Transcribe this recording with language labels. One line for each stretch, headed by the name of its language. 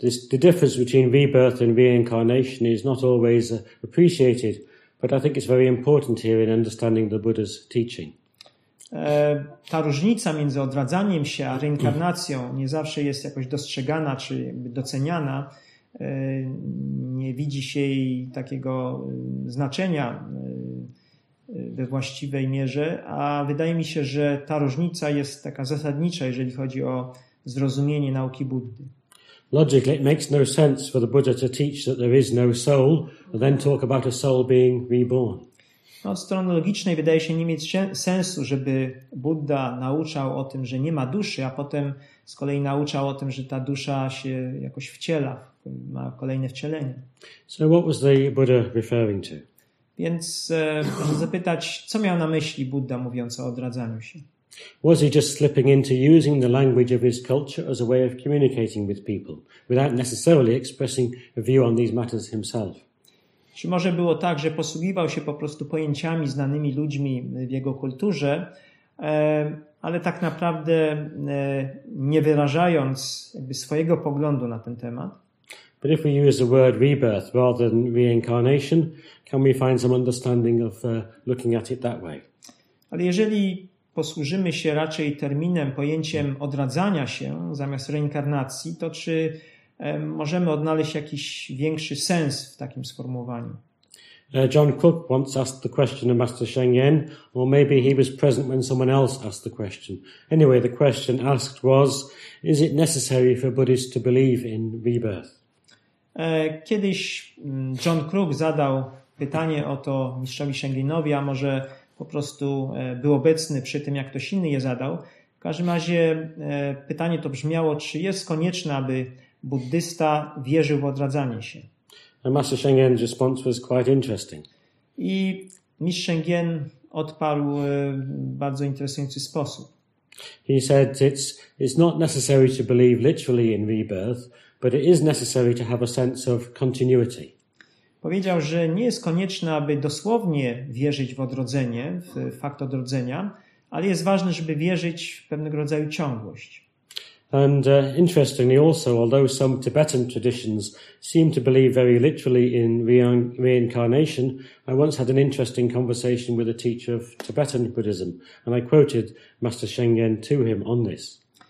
English: The difference between rebirth and reincarnation is not always appreciated, but I think it's very important here in understanding the Buddha's teaching.
Polish: Ta różnica między odradzaniem się a reinkarnacją nie zawsze jest jakoś dostrzegana czy doceniana. Nie widzi się jej takiego znaczenia we właściwej mierze, a wydaje mi się, że ta różnica jest taka zasadnicza, jeżeli chodzi o zrozumienie nauki Buddy.
English: Logically, it makes no sense for the Buddha to teach that there is no soul, and then talk about a soul being reborn.
Polish: No, od strony logicznej wydaje się nie mieć sensu, żeby Buddha nauczał o tym, że nie ma duszy, a potem z kolei nauczał o tym, że ta dusza się jakoś wciela. Ma kolejne wcielenie.
English: So what was the Buddha referring to?
Polish: Więc proszę zapytać, co miał na myśli Buddha mówiąc o odradzaniu się?
English: Was he just slipping into using the language of his culture as a way of communicating with people, without necessarily expressing a view on these matters himself?
Polish: Czy może było tak, że posługiwał się po prostu pojęciami znanymi ludźmi w jego kulturze, ale tak naprawdę nie wyrażając jakby swojego poglądu na ten temat?
English: But if we use the word rebirth rather than reincarnation, can we find some understanding of looking at it that way?
Polish: Ale jeżeli posłużymy się raczej terminem, pojęciem odradzania się zamiast reinkarnacji, to czy możemy odnaleźć jakiś większy sens w takim sformułowaniu?
English: John Cook once asked the question of Master Sheng Yen, or maybe he was present when someone else asked the question. Anyway, the question asked was, is it necessary for Buddhists to believe in rebirth?
Polish: Kiedyś John Crook zadał pytanie o to mistrzowi Sheng Yenowi, a może po prostu był obecny przy tym, jak ktoś inny je zadał. każdym razie pytanie to brzmiało, czy jest konieczne, aby buddysta wierzył w odradzanie się.
English: Master Shengen's response was quite interesting.
Polish: I Mistrz Shengen odparł w bardzo interesujący sposób.
English: He said it's not necessary to believe literally in rebirth, but it is necessary to have a sense of continuity.
Polish: Powiedział, że nie jest konieczne, aby dosłownie wierzyć w odrodzenie, w fakt odrodzenia, ale jest ważne, żeby wierzyć w pewnego rodzaju ciągłość.
English: And interestingly also, although some Tibetan traditions seem to believe very literally in reincarnation, I once had an interesting conversation with a teacher of Tibetan Buddhism, and I quoted Master Shengen to him on this.